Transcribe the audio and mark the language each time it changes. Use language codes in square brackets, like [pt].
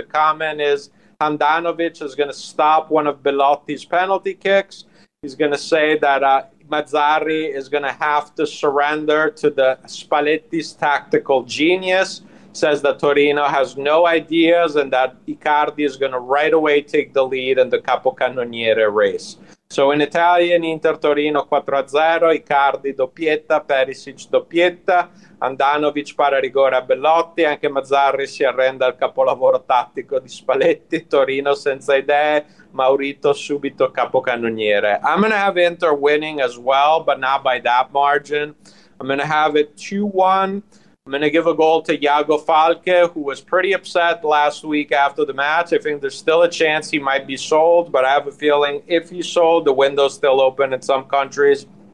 [en] The comment is Handanovic is going to stop one of Belotti's penalty kicks. He's going to say that Mazzarri is going to have to surrender to the Spalletti's tactical genius, says that Torino has no ideas and that Icardi is going to right away take the lead in the capocannoniere race. So in Italian, [it] Inter-Torino 4-0, Icardi doppietta, Perisic doppietta, Handanovic para rigore a Belotti, anche Mazzarri si arrende al capolavoro tattico di Spalletti, Torino senza idee, Maurito subito capocannoniere. [en] I'm going to have Inter winning as well, but not by that margin. I'm going to have it 2-1. I'm going to give a goal to Iago Falque, who was pretty upset last week after the match. I think there's still a chance he might be sold, but I have a feeling if he's sold, the window's still open in some countries.